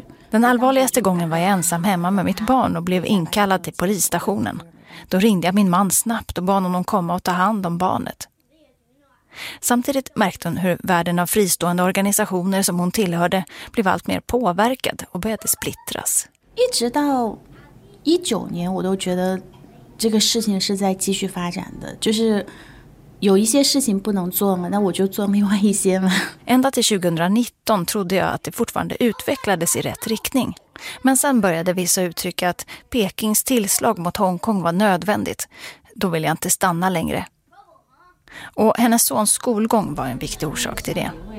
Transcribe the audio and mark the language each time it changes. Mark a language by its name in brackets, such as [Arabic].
[Swedish] Den allvarligaste gången var jag ensam hemma med mitt barn och blev inkallad till polisstationen. Då ringde jag min man snabbt och bad honom komma och ta hand om barnet. Samtidigt märkte hon hur världen av fristående organisationer som hon tillhörde blev allt mer påverkad och började splittras. [Chinese] 一直到19年我都觉得这个事情是在继续发展的，就是 [Swedish] ända till 2019 trodde jag att det fortfarande utvecklades i rätt riktning. Men sen började vissa uttrycka att Pekings tillslag mot Hongkong var nödvändigt. Då ville jag inte stanna längre. Och hennes sons skolgång var en viktig orsak till det.